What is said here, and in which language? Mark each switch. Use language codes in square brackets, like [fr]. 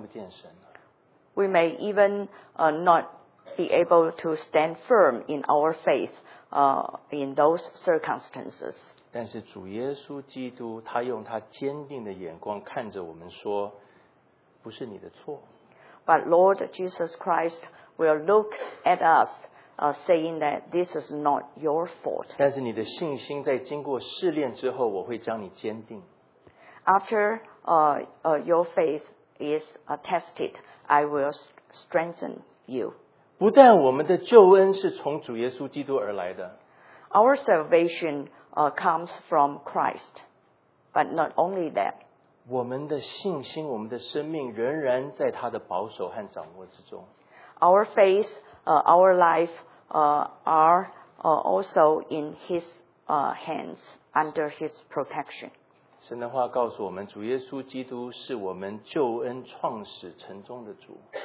[zh] 甚至当我们在打击之中，我们受到动摇，我们开始觉得我们看不见神了。 [en] We may even not be able to stand firm in our faith. In those circumstances. [zh] 但是主耶稣基督他用他坚定的眼光看着我们说, 不是你的错。 [en] But Lord Jesus Christ will look at us saying that this is not your fault. [zh] 但是你的信心在经过试炼之后, 我会将你坚定。 [en] After your faith is tested, I will strengthen you. [zh] 不但我们的救恩是从主耶稣基督而来的, [en] Our salvation comes from Christ, but not only that. [zh] 我们的信心, 我们的生命仍然在他的保守和掌握之中。 [en] Our faith, our life are also in His hands, under His protection. [zh] 神的话告诉我们, 主耶稣基督是我们救恩创始成终的主。